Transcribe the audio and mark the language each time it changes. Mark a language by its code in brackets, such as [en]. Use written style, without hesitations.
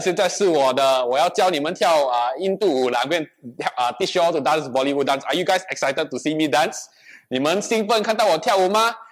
[zh] 现在是我的，我要教你们跳啊印度舞了。 [en] I'm gonna teach you all to dance Bollywood dance. Are you guys excited to see me dance? [zh] 你们兴奋看到我跳舞吗？